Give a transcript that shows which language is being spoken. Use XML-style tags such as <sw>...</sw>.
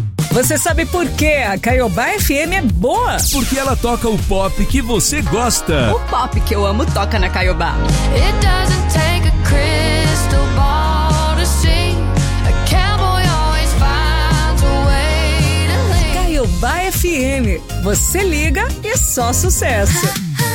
<pt>Você sabe por que a Caiobá FM é boa? Porque ela toca o pop que você gosta. O pop que eu amo toca na Caiobá.</pt> <en>It doesn't take a crystal ball to sing. A cowboy always finds a way to sing.</en> <pt>Caiobá FM, você liga e só sucesso.</pt>